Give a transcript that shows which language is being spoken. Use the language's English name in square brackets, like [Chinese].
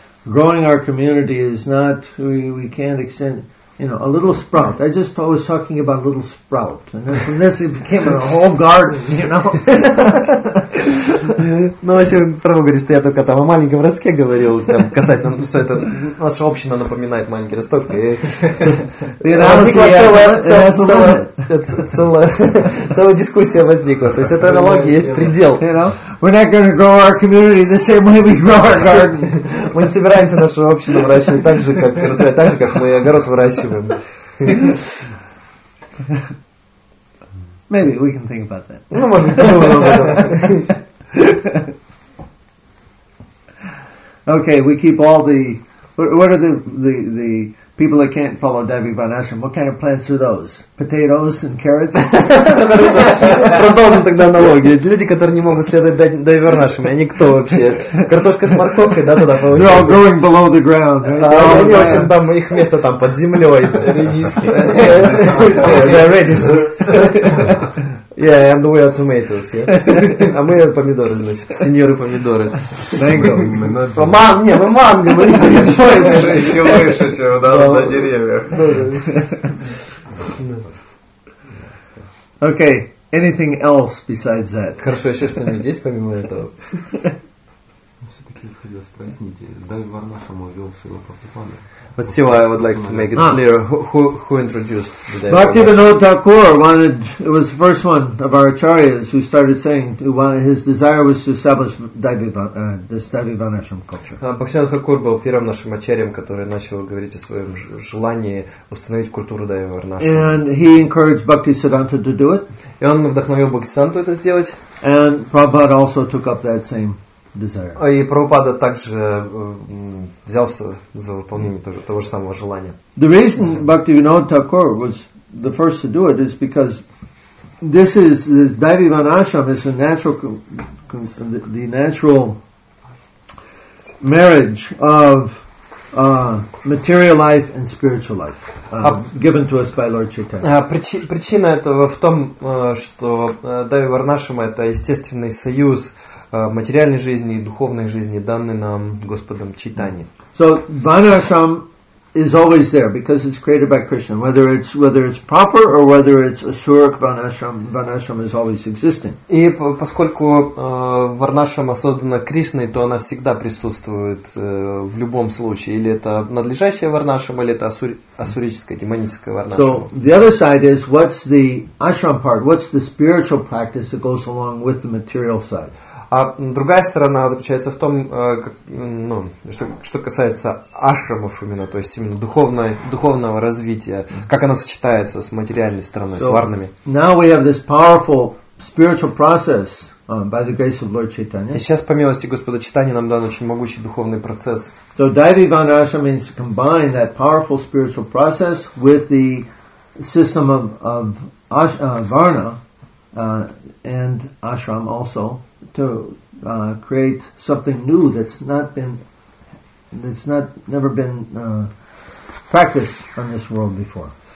[English] Growing our community is not, we can't extend, you know, a little sprout. I just was talking about a little sprout. And then from this it became a whole garden, you know. [Russian] Ну, если вы правы говорите, что я только там о маленьком ростке говорил, там, касательно, ну, что это наша община напоминает маленький росток. И целая дискуссия возникла. То есть эта аналогия есть предел. [English] We're not going to grow our community the same way we grow our garden. [Russian] Мы не собираемся нашу общину выращивать так же, как развивать, так же, как мы огород выращиваем. [English] Maybe we can think about that. [Russian] Ну, может быть, подумаем об этом. [English] Okay, we keep all the. What are the people that can't follow Devi Varnashram? What kind of plants are those? Potatoes and carrots. [Russian] Продолжим тогда аналогию. Люди, которые не могут следовать Devi Varnashram, они кто вообще? Картошка с морковкой, да, туда получается. [English] They're all growing below the ground. [Russian] Они очень там их место там под землей. Редиски. [English] They're redis. Yeah, and we are tomatoes, yeah? [Russian] А мы помидоры, значит, сеньоры помидоры. Манго. Мы манго, мы не помидоры. Еще выше, чем у нас на деревьях. [English] Okay, anything else besides that? [Russian] Хорошо, еще что-нибудь есть помимо этого? Все-таки хотел спросить, Дави Варнашрам увел Шрила Прабхупады. [English] But see why I would like to make it clear who introduced the Devi. Bhaktivinoda Thakur wanted, it was the first one of our acharyas who started saying his desire was to establish this Devi Varnashram culture. [Russian] Bhaktivinoda Thakur был первым нашим ачарьем, который начал говорить о своем желании установить культуру Devi Varnashram. [English] And he encouraged Bhaktisiddhanta to do it. [Russian] И он вдохновил Бхактисиддханту это сделать. [English] And Prabhupada also took up that same desire. [Russian] И Прабхупада также взялся за выполнение того же самого желания. [English] The reason Bhaktivinoda Thakur was the first to do it is because this Daivivan Ashram is a natural, the natural marriage of material life and spiritual life given to us by Lord Chaitanya. [Russian] Причина этого в том, что Дайви Варнашрама это естественный союз материальной жизни и духовной жизни, данный нам Господом Чайтани. [English] So Varnashram is always there because it's created by Krishna. Whether it's proper or whether it's Asurak Varnashram, Varnashram is always existing. [Russian] И поскольку Варнашрама создана Кришной, то она всегда присутствует в любом случае. Или это надлежащая Варнашрама, или это асурическая, демоническая Варнашрама. [English] So the other side is, what's the ashram part? What's the spiritual practice that goes along with the material side? [Russian] А другая сторона заключается в том, как, ну, что касается ашрамов именно, то есть именно духовного развития, как она сочетается с материальной стороной, [English] so, [Russian] с варнами. [English] Now we have this powerful spiritual process by the grace of Lord Chaitanya. [Russian] И сейчас, по милости Господа Чайтаньи, нам дан очень могучий духовный процесс. [English] So Daivivan Ashram means to combine that powerful spiritual process with the system of varna and ashram also. To create something new that's never been practiced on this world before.